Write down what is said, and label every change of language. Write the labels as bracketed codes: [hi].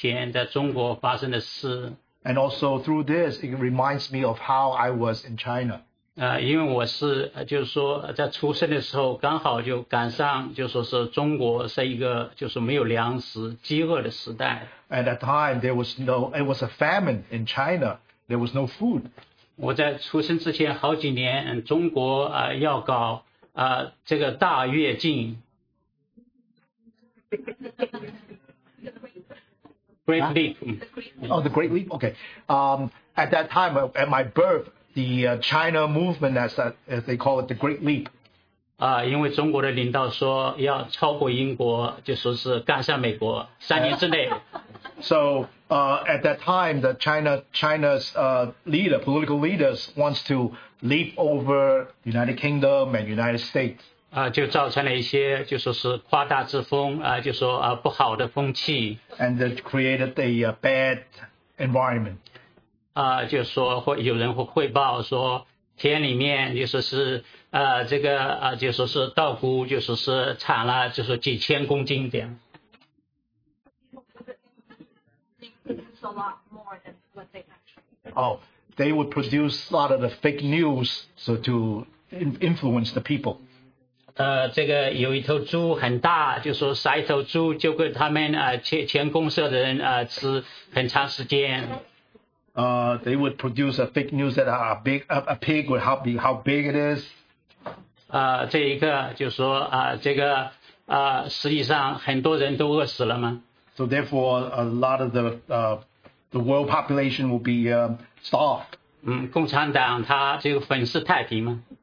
[zh] 最近发生的事情也使我想起，就是说我还没有出生之前在中国发生的事。And [en] also through this, it reminds me of how I was in China. [zh] 因为我是就是说在出生的时候刚好就赶上就说是中国是一个就是没有粮食饥饿的时代。And [en] at that time there was no, it was a famine in China. There was no food. [zh] 我在出生之前好几年，中国要搞这个大跃进。 [en] Great leap. Oh, the Great Leap. Okay. At that time, at my birth. The China movement, as they call it, the Great Leap. [zh] 因为中国的领导说要超过英国，就说是赶上美国，3年之内。 [en] So at that time, the China's leader, political leaders, wants to leap over the United Kingdom and United States. [zh] 就造成了一些就说是夸大之风就说不好的风气 [en] and that created a bad environment [zh] 就说会有人会汇报说田里面就说是这个就说是稻谷就说是产了就说几千公斤这样 [en] Oh, they would produce a lot of the fake news so to influence the people [zh] 这个有一头猪很大就说杀一头猪就给他们前公社的人吃很长时间。 [en] They would produce a fake news that a pig would how big it is. [zh] 这一个就说这个实际上很多人都饿死了嘛。 [en] So therefore, a lot of the world population will be starved. [zh] 共产党他就粉饰太平嘛。